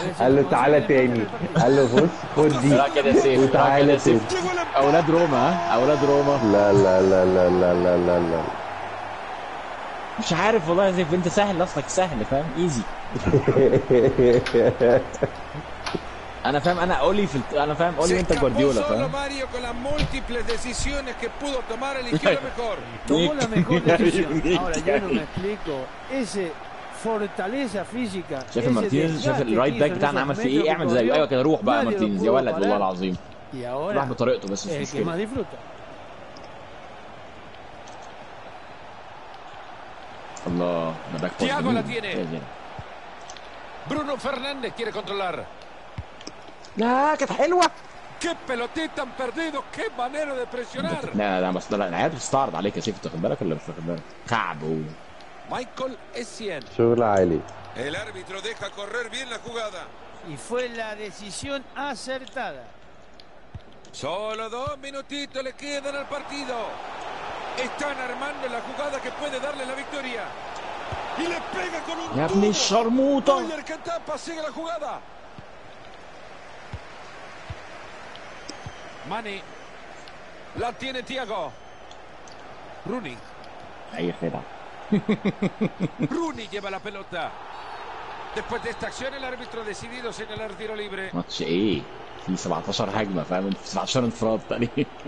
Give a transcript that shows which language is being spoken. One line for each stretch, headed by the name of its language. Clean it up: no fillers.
Arabic: قال له تعالى تاني، قال له بص خد دي وتعالى تاني. اولاد روما ها، اولاد روما. لا لا لا لا لا لا لا لا مش عارف والله يا سيف، انت سهل اصلك، سهل فاهم، ايزي. انا فاهم، انا اولي في انا فاهم اولي انت جوارديولا فاهم.
Spanish: ماريو con las múltiples decisiones que pudo tomar el equipo mejor. Tomó la mejor decisión. Ahora yo no me explico ese fortaleza física.
Arabic: شايف مارتينيز، شايف الرايت باك بتاعنا عمل فيه ايه؟ اعمل زيه. ايوه كده، روح بقى مارتينيز يا ولد والله العظيم. راح بطريقته بس مش مشكله. الله ده باك
Spanish: بوينت. Bruno Fernández quiere controlar.
Arabic: لا كانت حلوة.
Spanish: Qué pelotita han perdido, qué manera de presionar.
Arabic: لا لا بس لا انا عارف استعرض عليك يا سيف، انت واخد بالك ولا مش واخد بالك؟ كعب هو. مايكل اسيان. شغل عالي.
Spanish: El árbitro deja correr bien la jugada. Y fue la decisión acertada. Solo dos minutitos le quedan al partido. Están armando la jugada que puede darle la victoria. Y le pega con un
Arabic: يا ابني الشرموطة.
Spanish: Oyer que tapa, sigue la jugada. Mane. La tiene Thiago. Rooney. Ahí está. Rooney lleva la pelota. Después de esta acción el árbitro ha decidido señalar tiro libre.
Arabic: ماتش ايه؟ في 17 هجمة فاهم؟ 17 انفراد تقريبا.